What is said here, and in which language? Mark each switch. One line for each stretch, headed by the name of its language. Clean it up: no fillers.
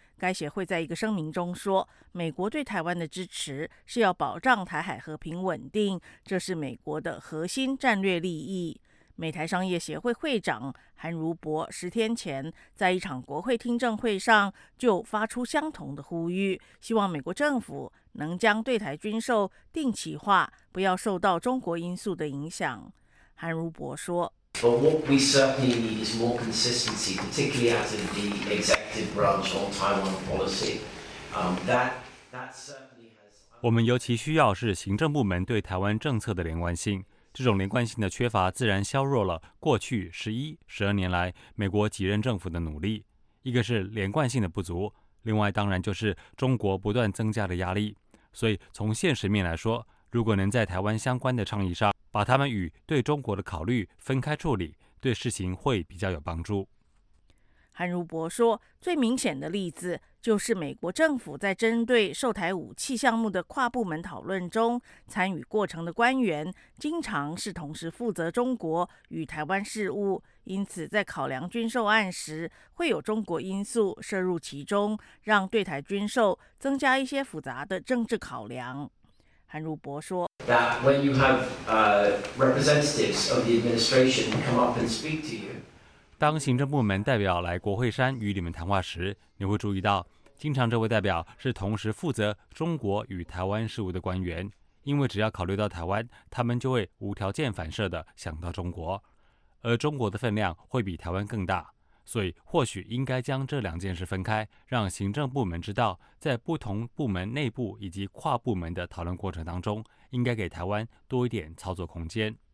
Chinese: 该协会在一个声明中说，美国对台湾的支持是要保障台海和平稳定，这是美国的核心战略利益。美台商业协会会长韩如博十天前在一场国会听证会上就发出相同的呼吁，希望美国政府能将对台军售定期化，不要受到中国因素的影响。韩如博说，
English: But what we certainly need is more consistency, particularly out of the executive branch on Taiwan policy. That certainly has.
Chinese: 我们尤其需要是行政部门对台湾政策的连贯性。这种连贯性的缺乏，自然削弱了过去11、12年来美国几任政府的努力。一个是连贯性的不足，另外当然就是中国不断增加的压力。所以从现实面来说，如果能在台湾相关的倡议上，把他们与对中国的考虑分开处理，对事情会比较有帮助。韩如博说，最明显的例子就是美国政府在针对售台武器项目的跨部门讨论中，参与过程的官员经常是同时负责中国与台湾事务，因此在考量军售案时，会有中国因素涉入其中，让对台军售增加一些复杂的政治考量。韩如博说，
English: That when you have representatives of the administration come up and speak to you，
Chinese: 当行政部门代表来国会山与你们谈话时，你会注意到，经常这位代表是同时负责中国与台湾事务的官员，因为只要考虑到台湾，他们就会无条件反射的想到中国，而中国的分量会比台湾更大，所以或许应该将这两件事分开，让行政部门知道，在不同部门内部以及跨部门的讨论过程当中，应该给台湾多一点操作空间。